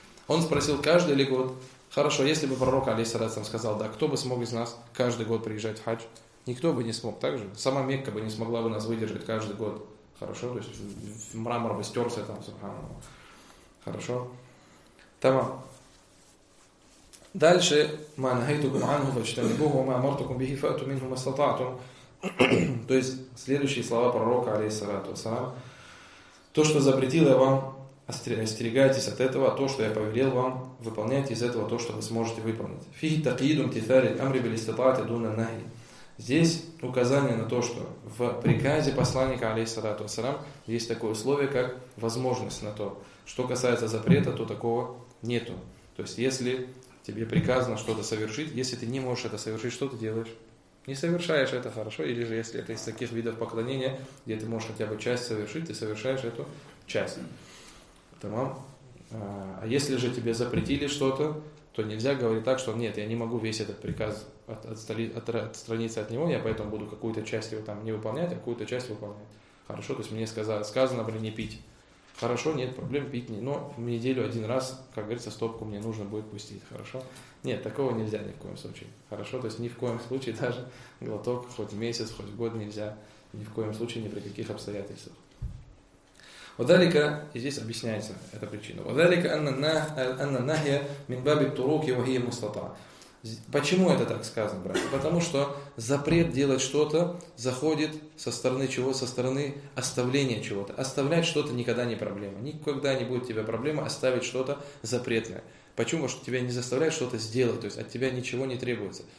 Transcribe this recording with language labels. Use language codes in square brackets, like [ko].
[ru] Он спросил, каждый ли год, хорошо, если бы пророк, алейхиссалям, сказал, да, кто бы смог из нас каждый год приезжать в хадж? Никто бы не смог, так же? Сама Мекка бы не смогла бы нас выдержать каждый год, хорошо? То есть мрамор бы стерся там, субханаллах. Хорошо? Тамам. Дальше [ar] ما نهيتكم عنه فاجتنبوه وما أمرتكم به فأتوا منه ما استطعتم. [ru] То есть следующие слова пророка, алейхиссалату вассалям: то, что запретил я вам, остерегайтесь от этого, а то, что я повелел вам, выполняйте из этого то, что вы сможете выполнить. [ar] فيه تقييد امتثال الأمر بالاستطاعة دون النهي. [ru] Здесь указание на то, что в приказе посланника, алейхиссалату вассалям, есть такое условие, как возможность на то. Что касается запрета, то такого нету. То есть если тебе приказано что-то совершить, если ты не можешь это совершить, что ты делаешь? Не совершаешь это, хорошо, или же если это из таких видов поклонения, где ты можешь хотя бы часть совершить, ты совершаешь эту часть. Тамам. А если же тебе запретили что-то, то нельзя говорить так, что нет, я не могу весь этот приказ отстраниться от него, я поэтому буду какую-то часть его там не выполнять, а какую-то часть выполнять. Хорошо, то есть мне сказано, блин, не пить. Хорошо, нет проблем, пить не, но в неделю один раз, как говорится, стопку мне нужно будет пустить, хорошо? Нет, такого нельзя ни в коем случае, хорошо? То есть ни в коем случае даже глоток, хоть месяц, хоть год нельзя ни в коем случае, ни при каких обстоятельствах. [ar] وذلك [ru] здесь объясняется эта причина. [ar] وذلك أن النهي من باب الطرق وهي مستطاع. [ru] Почему это так сказано, братья? Потому что запрет делать что-то заходит со стороны чего? Со стороны оставления чего-то. Оставлять что-то никогда не проблема. Никогда не будет тебе проблема оставить что-то запретное. Почему? Потому что тебя не заставляют что-то сделать, то есть от тебя ничего не требуется.